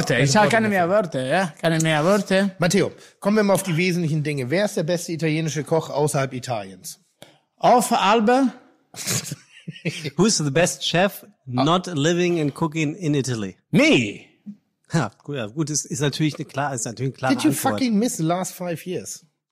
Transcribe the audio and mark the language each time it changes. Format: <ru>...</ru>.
<de>Ich habe keine mehr Worte, ja? Keine mehr Worte. Matteo, kommen wir mal auf die wesentlichen Dinge. Wer ist der beste italienische Koch außerhalb Italiens? Auf Alba.</de> <en>Who's the best chef not living and cooking in Italy? Me.</en> <de>Ja, gut, ist natürlich eine klare Antwort.</de> <en>Did you fucking miss the last 5 years?</en>